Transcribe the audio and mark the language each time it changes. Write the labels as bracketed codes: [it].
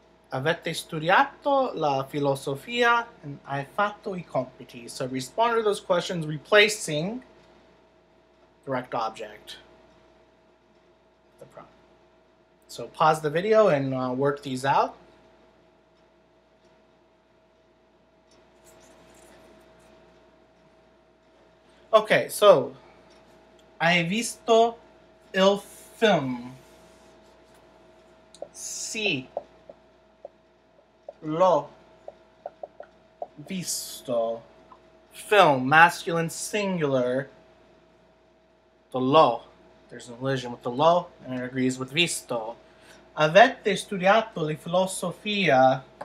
[it] Avete studiato la filosofia? And hai fatto I compiti? [en] So respond to those questions replacing direct object. The prompt. So pause the video and work these out. [it] Okay, so hai visto il film? Sì, l'ho visto. [en] Film, masculine singular, the lo. There's an elision with the lo, and it agrees with visto. [it] Avete studiato la filosofia?